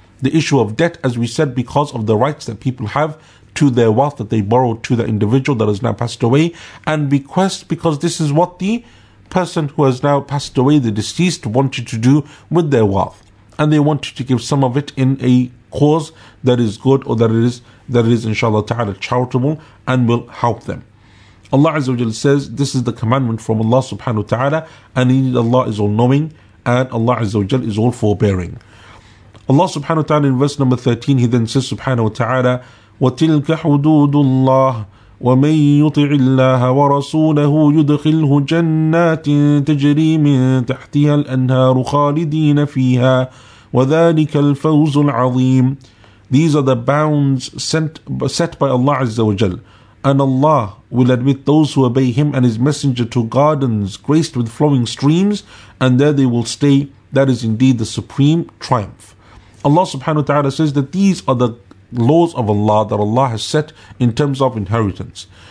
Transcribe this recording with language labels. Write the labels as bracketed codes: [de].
[en] the issue of debt, as we said, because of the rights that people have to their wealth that they borrowed to the individual that has now passed away, and bequest, because this is what the person who has now passed away, the deceased, wanted to do with their wealth, and they wanted to give some of it in a cause that is good, or that it is inshallah ta'ala charitable and will help them. Allah Azza wa Jalla says this is the commandment from Allah subhanahu wa ta'ala, and indeed Allah is all knowing and Allah Azza wa Jalla is all forbearing. Allah subhanahu wa ta'ala in verse number 13, he then says subhanahu wa ta'ala, [ar] وَتِلْكَ حُدُودُ اللَّهِ وَمَن يُطِعِ اللَّهَ وَرَسُولَهُ يُدْخِلْهُ جَنَّاتٍ تَجْرِي مِن تَحْتِهَا الْأَنْهَارُ خَالِدِينَ فِيهَا وَذَلِكَ الْفَوْزُ الْعَظِيمُ. [en] These are the bounds set by Allah Azza wa Jal. And Allah will admit those who obey Him and His Messenger to gardens graced with flowing streams, and there they will stay. That is indeed the supreme triumph. Allah subhanahu wa ta'ala says that these are the laws of Allah that Allah has set in terms of inheritance.